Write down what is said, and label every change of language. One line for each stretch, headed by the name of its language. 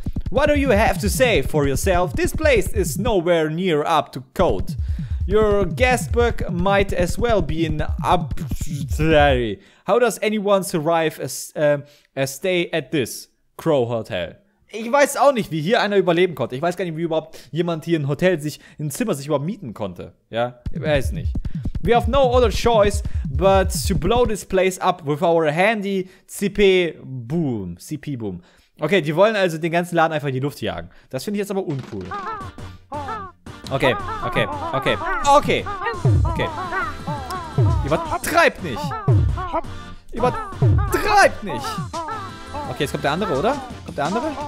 English: What do you have to say for yourself? This place is nowhere near up to code. Your guestbook might as well be an obituary. How does anyone survive a stay at this Crow Hotel?
German: Ich weiß auch nicht, wie hier einer überleben konnte. Ich weiß gar nicht, wie überhaupt jemand hier ein Hotel sich, ein Zimmer sich überhaupt mieten konnte. Ja, ich weiß nicht.
English: We have no other choice but to blow this place up with our handy CP boom. CP boom.
German: Okay, die wollen also den ganzen Laden einfach in die Luft jagen. Das finde ich jetzt aber uncool. Okay, okay, okay, okay, okay. Übertreibt nicht. Übertreibt nicht. Okay, jetzt kommt der andere, oder? Kommt der andere?